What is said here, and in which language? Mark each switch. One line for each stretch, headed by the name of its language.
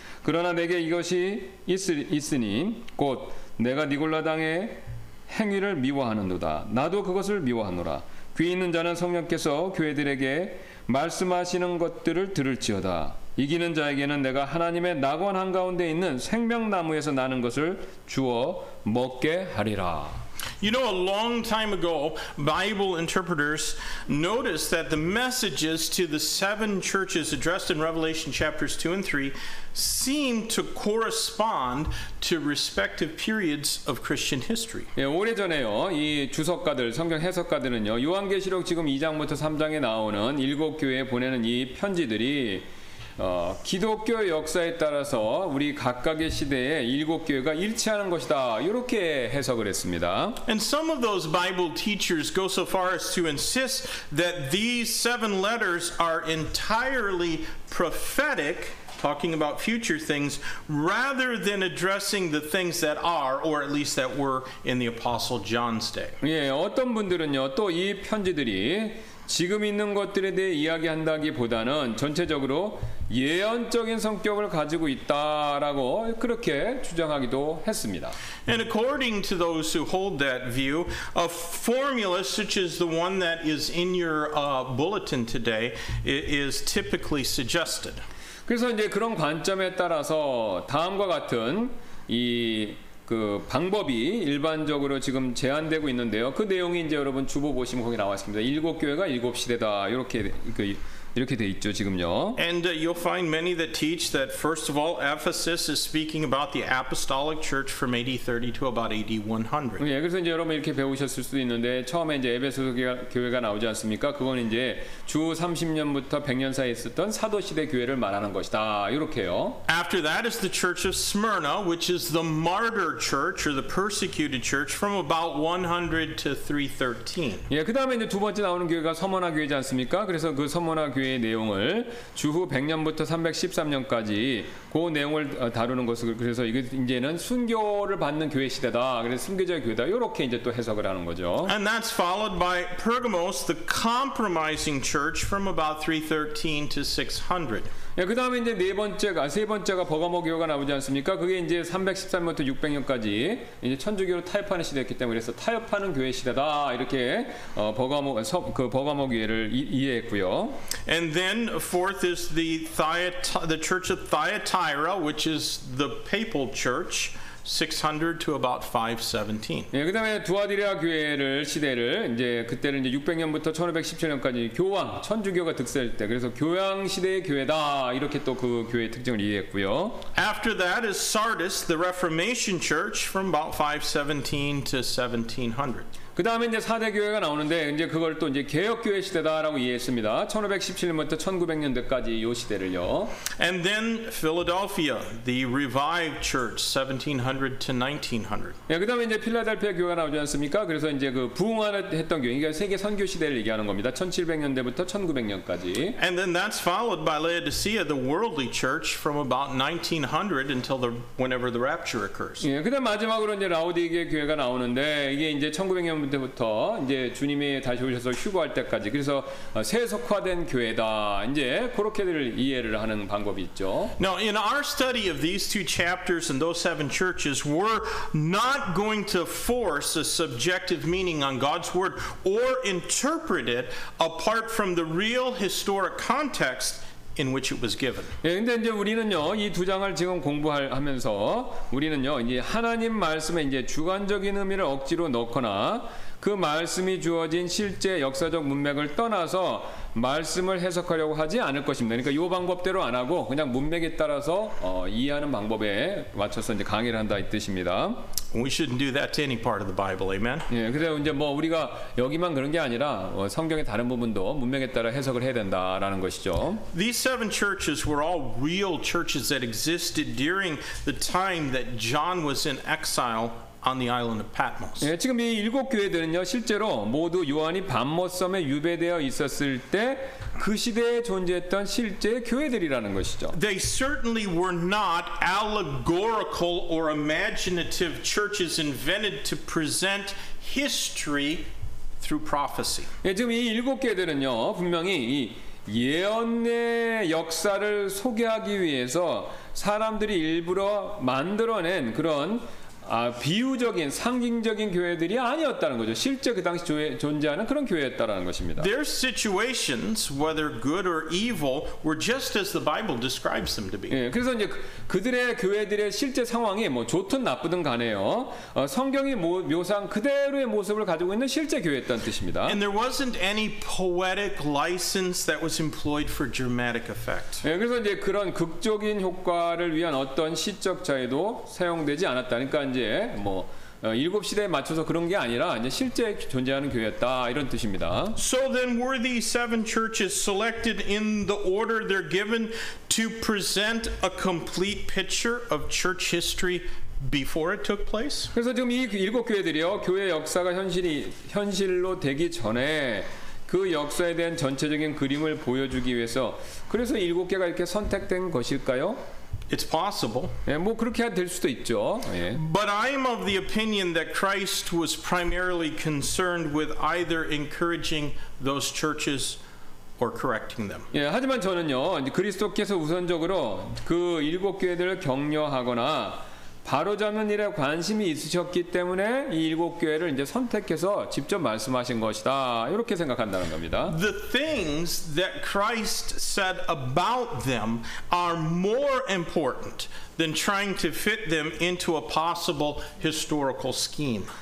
Korean: 그러나 내게 이것이 있으니 곧 내가 니골라당의 행위를 미워하는도다. 나도 그것을 미워하노라. 귀 있는 자는 성령께서 교회들에게 말씀하시는 것들을 들을지어다. 이기는 자에게는 내가 하나님의 낙원 한가운데 있는 생명나무에서 나는 것을 주어 먹게 하리라.
English: You know, a long time ago, Bible interpreters noticed that the messages to the seven churches addressed in Revelation chapters 2 and 3 seem to correspond to respective periods of Christian history.
Korean: 예, 오래전에요. 이 주석가들, 성경 해석가들은요. 요한계시록 지금 2장부터 3장에 나오는 일곱 교회에 보내는 이 편지들이 기독교 역사에 따라서 우리 각각의 시대에 일곱 교회가 일치하는 것이다. 이렇게 해석을 했습니다.
English: And some of those Bible teachers go so far as to insist that these seven letters are entirely prophetic, talking about future things, rather than addressing the things that are, or at least that were, in the Apostle John's day.
Korean: 예, 어떤 분들은요, 또 이 편지들이 지금 있는 것들에 대해 이야기한다기보다는 전체적으로 예언적인 성격을 가지고 있다라고 그렇게 주장하기도 했습니다.
English: And according to those who hold that view, a formula such as the one that is in your bulletin today is typically suggested.
Korean: 그래서 이제 그런 관점에 따라서 다음과 같은 이 그 방법이 일반적으로 지금 제안되고 있는데요. 그 내용이 이제 여러분 주보 보시면 거기 나와 있습니다. 일곱 교회가 일곱 시대다. 이렇게 돼 있죠, 지금요.
English: And you'll find many that teach that first of all Ephesus is speaking about the apostolic church from AD 30 to about AD 100.
Korean: 예, 그래서 이제 여러분 이렇게 배우셨을 수도 있는데 처음에 이제 에베소 교회가 나오지 않습니까? 그건 이제 주 30년부터 100년 사이에 있었던 사도 시대 교회를 말하는 것이다. 이렇게요.
English: After that is the church of Smyrna, which is the martyr church or the persecuted church from about 100 to 313.
Korean: 예, 그다음에 이제 두 번째 나오는 교회가 서머나 교회지 않습니까? 그래서 그 서머나 교회의 내용을 주후 100년부터 313년까지 그 내용을 다루는 것을 그래서 이게 이제는 순교를 받는 교회 시대다. 그래서 순교자의 교회다. 이렇게 이제 또 해석을 하는 거죠.
English: And that's followed by Pergamos, the compromising church from about 313 to 600.
Korean: 예, 그다음에 이제 네 번째가 세 번째가 버가모 교회가 나오지 않습니까? 그게 이제 313년부터 600년까지 이제 천주교로 타협하는 시대였기 때문에 그래서 타협하는 교회 시대다. 이렇게 버가모 교회를 이해했고요.
English: And then fourth is the Church of Thyatira, which is the papal church. 600 to about 517.
Korean: 예, 그다음에 두아디라 교회를 시대를 이제 그때는 이제 600년부터 1517년까지 교황 천주교가 득세할 때 그래서 교황 시대의 교회다 이렇게 또 그 교회의 특징을 이해했고요.
English: After that is Sardis, the Reformation Church from about 517 to 1700.
Korean: 그 다음에 이제 4대 교회가 나오는데 이제 그걸 또 이제 개혁교회 시대다라고 이해했습니다. 1517년부터 1900년대까지 이 시대를요.
English: And then Philadelphia, the Revived Church, 1700 to 1900.
Korean: 예, 그 다음에 이제 필라델피아 교회가 나오지 않습니까? 그래서 이제 그 부흥했던 교회, 그러니까 세계 선교 시대를 얘기하는 겁니다. 1700년대부터 1900년까지.
English: And then that's followed by Laodicea, the Worldly Church, from about 1900 until the whenever the Rapture occurs.
Korean: 예, 그 다음 마지막으로 이제 라오디게 교회가 나오는데 이게 이제 1900년 때부터 이제 주님이 다시 오셔서 휴거할 때까지 그래서 세속화된 교회다 이제 그렇게들 이해를 하는 방법이 있죠.
English: Now in our study of these two chapters and those seven churches, we're not going to force a subjective meaning on God's word or interpret it apart from the real historic context. In which it was given.
Korean: 예, 근데 이제 우리는요 이 두 장을 지금 공부하면서 우리는요 이제 하나님 말씀에 이제 주관적인 의미를 억지로 넣거나 그 말씀이 주어진 실제 역사적 문맥을 떠나서 말씀을 해석하려고 하지 않을 것입니다. 그러니까 이 방법대로 안 하고 그냥 문맥에 따라서 이해하는 방법에 맞춰서 이제 강의를 한다 이 뜻입니다.
English: We shouldn't do that to any part of the Bible, amen.
Korean: 예, 그래서 이제 뭐 우리가 여기만 그런 게 아니라 성경의 다른 부분도 문맥에 따라 해석을 해야 된다라는 것이죠.
English: These seven churches were all real churches that existed during the time that John was in exile. On the island of Patmos.
Korean: 예, 지금 이 일곱 교회들은요 실제로 모두 요한이 밤모섬에 유배되어 있었을 때 그 시대에 존재했던 실제 교회들이라는 것이죠.
English: They certainly were not allegorical or imaginative churches invented to present history through prophecy.
Korean: 예, 지금 이 일곱 교회들은요 분명히 이 예언의 역사를 소개하기 위해서 사람들이 일부러 만들어낸 그런 비유적인 상징적인 교회들이 아니었다는 거죠. 실제 그 당시 존재하는 그런 교회였다라는 것입니다.
English: Their situations, whether good or evil, were just as the Bible describes them to be.
Korean: 예, 그래서 이제 그들의 교회들의 실제 상황이 뭐 좋든 나쁘든 간에요. 성경이 묘사한 그대로의 모습을 가지고 있는 실제 교회였다는 뜻입니다.
English: And there wasn't any poetic license that was employed for dramatic effect.
Korean: 예, 그래서 이제 그런 극적인 효과를 위한 어떤 시적 자유도 사용되지 않았다. 그러니까 이제 뭐 일곱 시대에 맞춰서 그런 게 아니라 이제 실제 존재하는 교회였다 이런 뜻입니다.
English: So then were these seven churches selected in the order they're given to present a complete picture of church history before it took place?
Korean: 그래서 지금 이 일곱 교회들이요 교회 역사가 현실로 되기 전에 그 역사에 대한 전체적인 그림을 보여주기 위해서 그래서 일곱 개가 이렇게 선택된 것일까요?
English: It's possible.
Korean: 예, 뭐 그렇게 될 수도 있죠. 예.
English: But I am of the opinion that Christ was primarily concerned with either encouraging those churches or correcting them.
Korean: 예, 하지만 저는요, 그리스도께서 우선적으로 그 일곱 교회들을 격려하거나 바로잡는 일에 관심이 있으셨기 때문에 이 일곱 교회를 이제 선택해서 직접 말씀하신 것이다. 이렇게 생각한다는 겁니다.
English: The things that Christ said about them are more important than trying to fit them into a possible historical scheme.